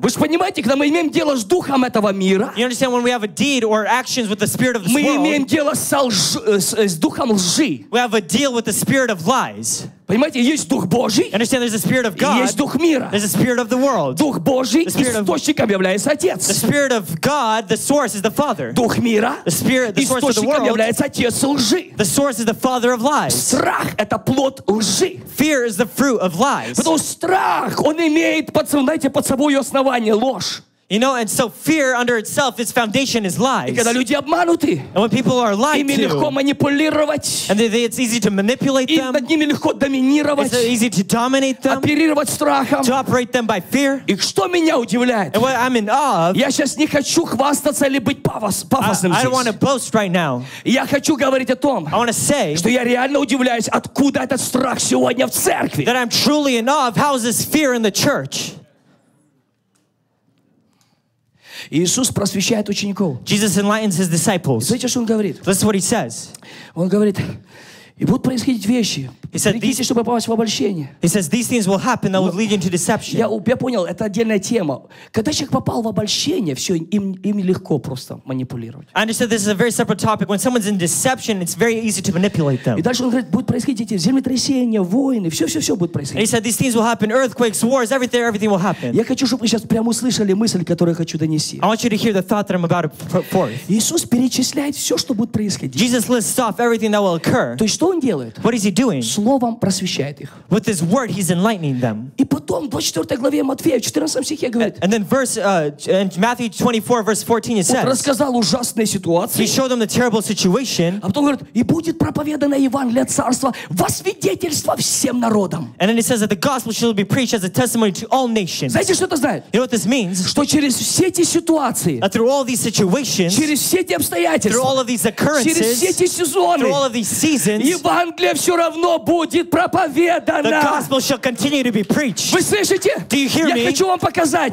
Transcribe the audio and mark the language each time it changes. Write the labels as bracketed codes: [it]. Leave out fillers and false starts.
[ru] Вы же понимаете, когда мы имеем дело с духом этого мира. [en] You understand when we have a deed or actions with the spirit of this [ru] мы [en] world, we have a deal with the spirit of lies. [ru] Понимаете, есть Дух Божий. [en] Understand, there's a spirit of God. [ru] Есть Дух мира. [en] There's a spirit of the world. [ru] Дух Божий, источником является Отец. [en] The spirit of God, the source, is the Father. [ru] Дух мира, [en] the spirit, the source of the world, [ru] является Отец лжи. [en] The source is the Father of lies. [ru] Страх — это плод лжи. [en] Fear is the fruit of lies. [ru] Потому что страх, он имеет под собой основание ложь. [en] You know, and so fear under itself, its foundation is lies. [ru] И когда люди обмануты, [en] and when people are lied [ru] ими легко [en] to, [ru] манипулировать, [en] and they, it's easy to manipulate [ru] и [en] them, [ru] над ними легко доминировать, [en] it's easy to dominate them, [ru] оперировать страхом, [en] to operate them by fear. [ru] И что меня удивляет, [en] and what I'm in awe of, [ru] я сейчас не хочу хвастаться или быть пафосным [en] здесь. I don't want to boast right now. [ru] Я хочу говорить о том, [en] I want to say, [ru] что я реально удивляюсь, откуда этот страх сегодня в церкви. [en] That I'm truly in awe of how is this fear in the church. [ru] Иисус просвещает учеников. [en] Jesus enlightens his disciples. [ru] Смотрите, что он говорит. [en] This is what he says. [ru] Он говорит, и будут происходить вещи. [en] He said, [ru] берегите, чтобы попасть в обольщение. [en] He says, these things will happen that will lead you into deception. [ru] Я понял, это отдельная тема. Когда человек попал в обольщение, все, им легко просто манипулировать. [en] I understand this is a very separate topic. When someone's in deception, it's very easy to manipulate them. [ru] И дальше он говорит, будут происходить эти землетрясения, войны, все будет происходить. [en] He said, these things will happen, earthquakes, wars, everything will happen. [ru] Я хочу, чтобы вы сейчас прямо услышали мысль, которую я хочу донести. [en] I want you to hear the thought that I'm about to put forth. [ru] Иисус перечисляет все, что будет происходить. [en] Jesus lists off everything that will occur. [ru] То есть что он делает? [en] What is he doing? [ru] Словом просвещает их. [en] With his word, he's enlightening them. [ru] И потом, в 24 главе Матфея, в 14 стихе говорит, [en] and then in Matthew 24, verse 14, it says, [ru] он рассказал ужасные ситуации. [en] He showed them the terrible situation. [ru] А потом говорит, и будет проповедано Евангелие Царства во свидетельство всем народам. [en] And then it says that the gospel shall be preached as a testimony to all nations. [ru] Знаете, что это значит? [en] You know what this means? [ru] Что через все эти ситуации, [en] that through all these situations, [ru] через все эти обстоятельства, [en] through all of these occurrences, [ru] через все эти сезоны, [en] through all of these seasons, [ru] Евангелие все равно будет проповедано. [en] The gospel shall continue to be preached. [ru] Вы слышите? [en] Do you hear [ru] я [en] me? [ru] Я хочу вам показать.